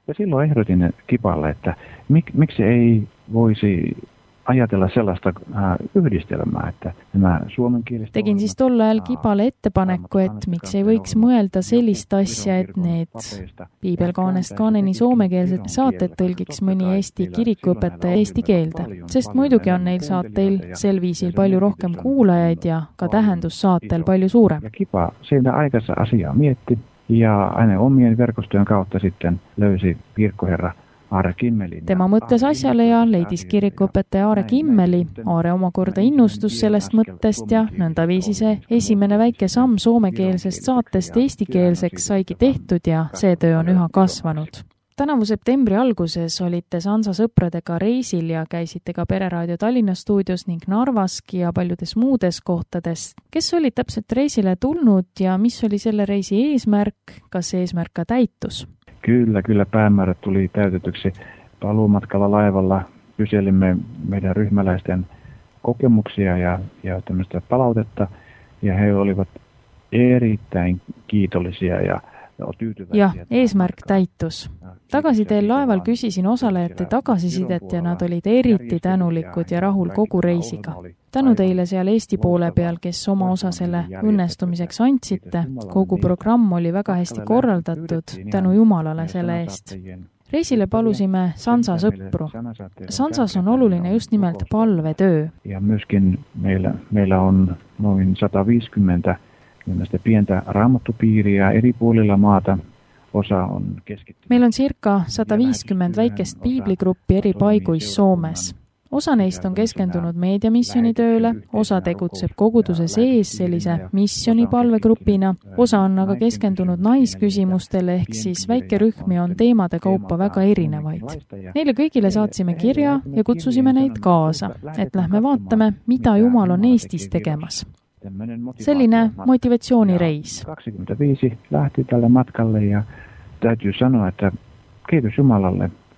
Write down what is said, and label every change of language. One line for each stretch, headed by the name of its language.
Finnish: Ja silloin ehdotin Kipalle, että miksi ei voisi... ajatella sellaista yhdistelmää, että nämä suomen kielestä...
Estonian: Tegin siis tollajal Kipale ettepaneku, et miks ei võiks mõelda sellist asja, et need piibelkaanest kaaneni soomekeelsed saated tõlgiks mõni Eesti kirikuõpetaja Eesti keelde, sest muidugi on neil saateil sel viisil palju rohkem kuulajaid ja ka tähendus saatel palju suurem.
Finnish: Ja Kipa siinä aikassa asiaa mietti ja aina omien verkostojen kautta sitten löysi kirkkoherra.
Estonian: Tema mõttes asjale ja leidis kirikuõpetaja Aare Kimmeli. Aare omakorda innustus sellest mõttest ja nõnda viisi see esimene väike samm soomekeelsest saatest eestikeelseks saigi tehtud ja see töö on üha kasvanud. Tänavu septembri alguses olite Sansa sõpradega reisil ja käisite ka Pereraadio Tallinna stuudios ning Narvaski ja paljudes muudes kohtades. Kes oli täpselt reisile tulnud ja mis oli selle reisi eesmärk, kas eesmärk ka täitus?
Finnish: Kyllä, päämäärät tuli täytetyksi paluumatkalla laivalla. Kyselimme meidän ryhmäläisten kokemuksia ja tämmöistä palautetta ja he olivat erittäin kiitollisia ja
Estonian: Ja eesmärk täitus. Tagasi teel laeval küsisin osalejate tagasisidet ja nad olid eriti tänulikud ja rahul kogu reisiga. Tänu teile seal Eesti poole peal, kes oma osasele õnnestumiseks andsite. Kogu programm oli väga hästi korraldatud tänu Jumalale selle eest. Reisile palusime Sansa sõpru. Sansas on oluline just nimelt palvetöö.
Finnish: Ja myöskin meillä on noin 150 nimestä pientä raamattupiiriä eri puolilla maata. Osa on keskittynyt. Meillä on
Estonian: cirka 150 väikest piibligruppi eri paiguis Soomes. Osa neist on keskendunud meediamissioni tööle, osa tegutseb koguduse sees sellise missioonipalvegrupina, osa on aga keskendunud naisküsimustele, ehk siis väike rühmi on teemade kaupa väga erinevaid. Neile kõigile saatsime kirja ja kutsusime neid kaasa, et lähme vaatame, mida Jumal on Eestis tegemas. Selline motivatsioonireis.
Finnish: 25 lähti tälle matkalle ja täytyy sanoa, että kiitos Jumalalle.